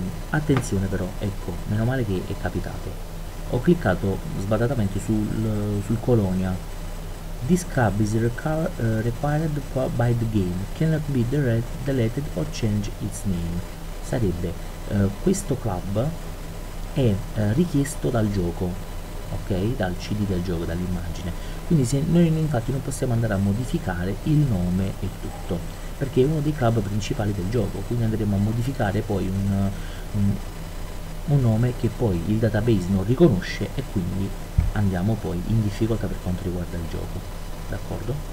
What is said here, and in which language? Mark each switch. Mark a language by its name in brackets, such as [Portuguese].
[Italian] Attenzione però, ecco, meno male che è capitato. Ho cliccato sbadatamente sul Colonia. [English] This club is required by the game, cannot be deleted or change its name. [Italian] Sarebbe, questo club è richiesto dal gioco, ok? Dal CD del gioco, dall'immagine. Quindi se noi infatti non possiamo andare a modificare il nome e tutto, perché è uno dei club principali del gioco, quindi andremo a modificare poi un nome che poi il database non riconosce, e quindi andiamo poi in difficoltà per quanto riguarda il gioco. D'accordo?